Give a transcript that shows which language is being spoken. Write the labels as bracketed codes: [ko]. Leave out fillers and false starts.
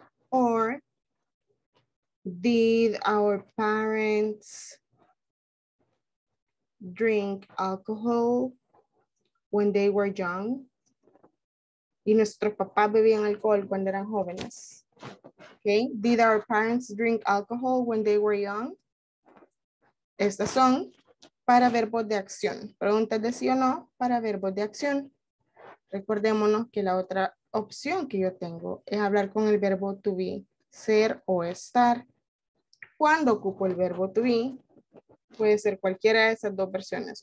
[en] Or, did our parents drink alcohol when they were young? [es] Y nuestros papás bebían alcohol cuando eran jóvenes. [en] Okay, did our parents drink alcohol when they were young? [es] Estas son para verbos de acción. Preguntas de sí o no para verbos de acción. Recordémonos que la otra opción que yo tengo es hablar con el verbo to be, ser o estar. Cuando ocupo el verbo to be, puede ser cualquiera de esas dos versiones.